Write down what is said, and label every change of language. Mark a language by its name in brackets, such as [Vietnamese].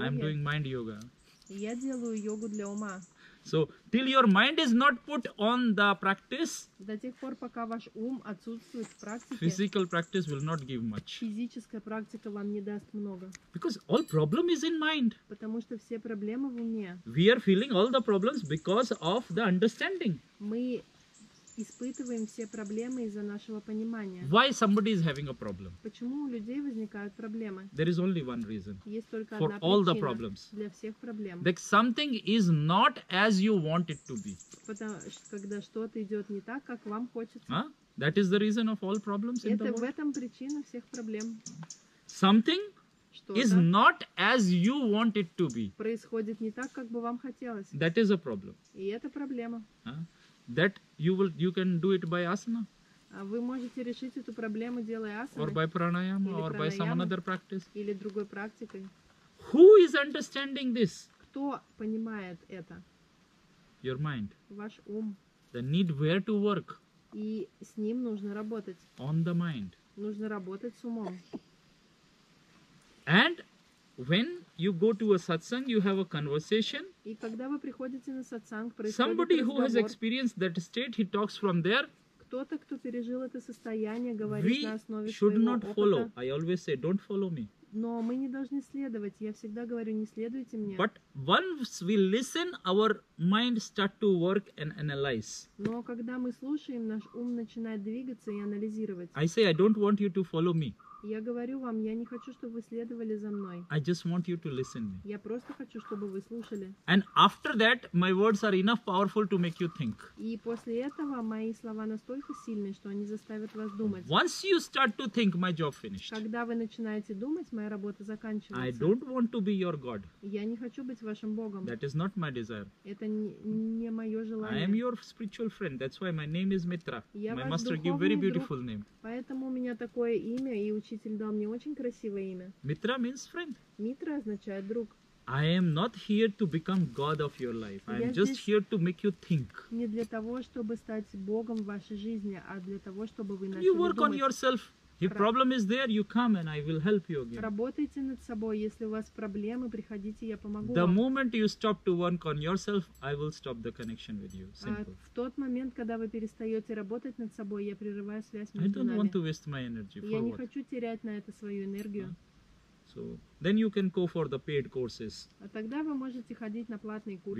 [English] I'm doing mind yoga. [Russian] Я делаю йогу для ума. [English] So, till your mind is not put on the practice, [Russian] до тех пор, пока ваш ум отсутствует в практике, [English] physical practice will not give much. [Russian] Физическая практика вам не даст много. [English] Because all problem is in mind. [Russian] Потому что все проблемы в уме. [English] We are feeling all the problems because of the understanding. [Russian] Мы испытываем все проблемы из-за нашего понимания. [English] Why somebody is having a problem? [Russian] Почему у людей возникают проблемы? [English] There is only one reason. [Russian] Есть только [English] for [Russian] одна причина [English] all the problems. [Russian] Для всех проблем. [English] That something is not as you want it to be. [Russian] Потому что когда что-то идет не так, как вам хочется. [English] That is the reason of all problems in the world. [Russian] Это в этом причина всех проблем. [English] Something is not as you want it to be. [Russian] Происходит не так, как бы вам хотелось. [English] That is a problem. [Russian] И это проблема. [English] That you can do it by asana. [Russian] Вы можете решить эту проблему, делая асаны. [English] Or by pranayama, or by some another practice. [Russian] Или другой практикой. [English] Who is understanding this? [Russian] Кто понимает это? [English] Your mind. [Russian] Ваш ум. [English] The need where to work. [Russian] И с ним нужно работать. [English] On the mind. [Russian] Нужно работать с умом. [English] And when you go to a satsang, you have a conversation. [Russian] И когда вы приходите на сатсанг, происходит [English] somebody [Russian] разговор. [English] Somebody who has experienced that state, he talks from there. [Russian] Кто-то, кто пережил это состояние, говорит [English] we [Russian] на основе своего опыта. [English] We should not follow. I always say, don't follow me. [Russian] Но мы не должны следовать. Я всегда говорю, не следуйте мне. [English] But once we listen, our mind start to work and analyze. [Russian] Но когда мы слушаем, наш ум начинает двигаться и анализировать. [English] I say, I don't want you to follow me. [Russian] Я говорю вам, я не хочу, чтобы вы следовали за мной. [English] I just want you to listen. [Russian] Я просто хочу, чтобы вы слушали. [English] And after that, my words are enough powerful to make you think. [Russian] И после этого мои слова настолько сильны, что они заставят вас думать. [English] Once you start to think, my job finished. [Russian] Когда вы начинаете думать, моя работа заканчивается. [English] I don't want to be your God. [Russian] Я не хочу быть вашим Богом. [English] That is not my desire. [Russian] Это не мое желание. [English] I am your spiritual friend. That's why my name is Mitra. [Russian] Я [English] my master gave very beautiful [Russian] друг, [English] name. [Russian] Поэтому у меня такое имя и учитель. Учитель дал мне очень красивое имя. [English] Mitra means friend. [Russian] Mitra означает друг. [English] I am not here to become God of your life. I am just here to make you think. [Russian] Не для того, чтобы стать богом в вашей жизни, а для того, чтобы вы начали [English] you work [Russian] думать. [English] On yourself. If problem is there, you come and I will help you again. [Russian] Работайте над собой. Если у вас проблемы, приходите, я помогу [English] the [Russian] вам. [English] The moment you stop to work on yourself, I will stop the connection with you. Simple. [Russian] В тот момент, когда вы перестаете работать над собой, я прерываю связь между нами. [English] I don't [Russian] нами. [English] Want to waste my energy. [Russian] Я не хочу терять на это свою энергию. [English] So, then you can go for the paid courses. [Russian] А тогда вы можете ходить на платные курсы.